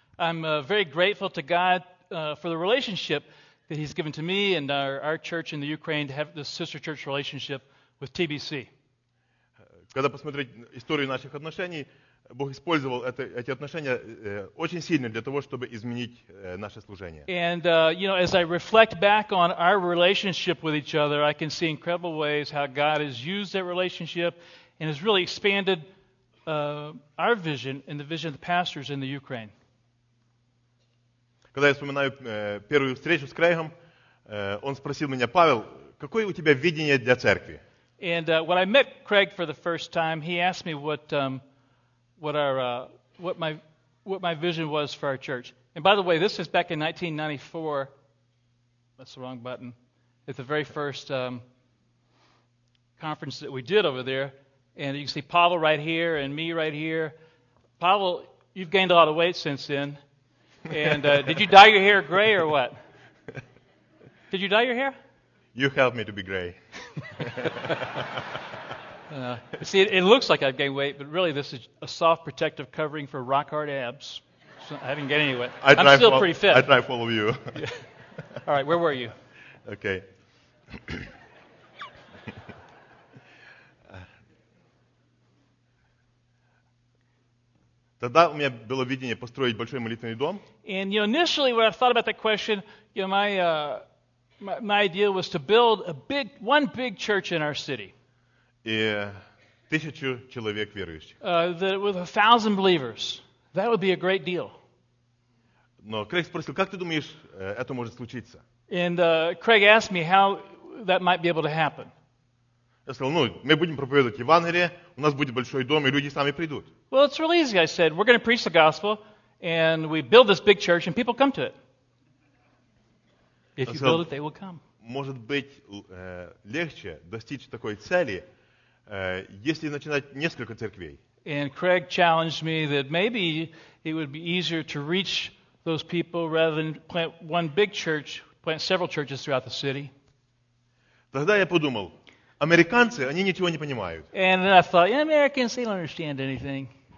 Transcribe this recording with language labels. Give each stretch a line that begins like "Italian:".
English: I'm very grateful to God for the relationship that He's given to me and our church in the Ukraine to have this sister church relationship with TBC.
Russian: Когда посмотреть историю наших отношений, Бог использовал эти отношения очень сильно для того, чтобы изменить наше служение.
English: And, you know, as I reflect back on our relationship with each other, I can see incredible ways how God has used that relationship and has really expanded our vision and the vision of the pastors in the Ukraine.
Russian: Когда я вспоминаю первую встречу с Крейгом, он спросил меня: «Павел, какое у тебя видение для церкви?»
English: And when I met Craig for the first time, he asked me what my vision was for our church. And by the way, this is back in 1994. That's the wrong button. At the very first conference that we did over there. And you can see Pavel right here and me right here. Pavel, you've gained a lot of weight since then. And did you dye your hair gray or what? Did you dye your hair? You helped me to be gray. See, it looks like I've gained weight, but really this is a soft protective covering for rock-hard abs. So I haven't gained any weight. I'm still pretty fit. I drive all of you. Yeah. All right, where were you? Okay.
Russian: Тогда у меня было видение построить большой молитвенный дом.
English: And you know, initially, when I thought about that question, you know, my idea was to build one big church in our city.
Russian: И тысячу человек верующих.
English: With 1,000 believers, that would be a great deal.
Russian: Но Крейг спросил, как ты думаешь, это может случиться?
English: And Craig asked me how that might be able to happen.
Russian: Я сказал, ну, мы будем проповедовать Евангелие, у нас будет большой дом, и люди сами придут.
English: Well, it's really easy, I said. We're going to preach the gospel, and we build this big church, and people come to it. If you build it, they will come.
Russian: Может быть легче достичь такой цели, если начинать несколько церквей.
English: And Craig challenged me that maybe it would be easier to reach those people rather than plant one big church, plant several churches throughout the city.
Russian: Тогда я подумал, американцы, они ничего не понимают.
English: And then I thought, yeah, Americans, they don't understand anything.